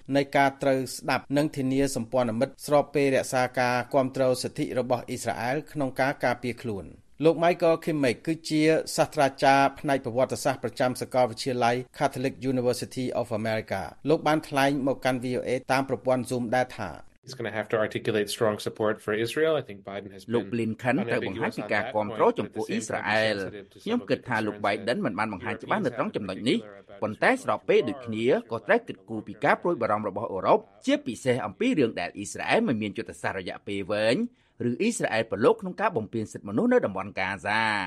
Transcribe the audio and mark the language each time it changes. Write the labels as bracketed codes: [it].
[km] នៃការត្រូវស្ដាប់និងធានាសម្ព័ន្ធមិត្តស្របពេលរក្សាការគ្រប់គ្រងសិទ្ធិរបស់អ៊ីស្រាអែលក្នុងការការពារខ្លួនលោក Michael Kimmich គឺជាសាស្ត្រាចារ្យផ្នែកប្រវត្តិសាស្ត្រប្រចាំសាកលវិទ្យាល័យ Catholic University of America លោកបានថ្លែងមកកាន់ VOA តាមប្រព័ន្ធ Zoom ដែរថា [en] is going to have to articulate strong support for Israel I think Biden has been [km] Look Blinken ត្រូវបង្ហាញពីការគាំទ្រចំពោះអ៊ីស្រាអែលខ្ញុំគិតថាលោក Biden មិនបានបង្ហាញច្បាស់នៅត្រង់ចំណុចនេះប៉ុន្តែស្របពេលដូចគ្នាក៏ត្រូវគិតគូរពីការប្រួយបារម្ភរបស់អឺរ៉ុបជាពិសេសអំពីរឿងដែលអ៊ីស្រាអែលមិនមានយុទ្ធសាស្ត្ររយៈពេលវែងឬអ៊ីស្រាអែលប្រឡូកក្នុងការបំពានសិទ្ធិមនុស្សនៅតំបន់កាហ្សា